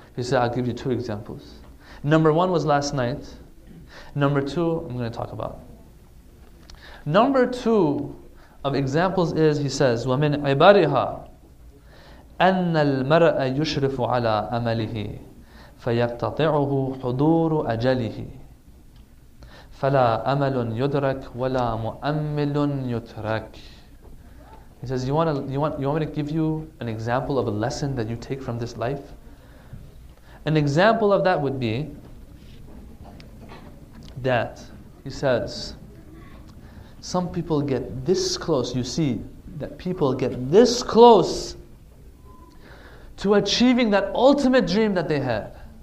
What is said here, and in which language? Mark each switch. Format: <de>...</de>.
<en>He said, I'll give you two examples. Number one was last night. Number two, I'm going to talk about. Number two of examples is, he says,</en> <ar>وَمِنْ عِبَارِهَا أَنَّ الْمَرْأَ يُشْرِفُ عَلَىٰ أَمَلِهِ فيقتطعه حضور أجله فلا أمل يدرك ولا مؤمل يترك.</ar> <en>He says, you want me to give you an example of a lesson that you take from this life? An example of that would be that, he says, some people get this close, you see, that people get this close to achieving that ultimate dream that they had.</en>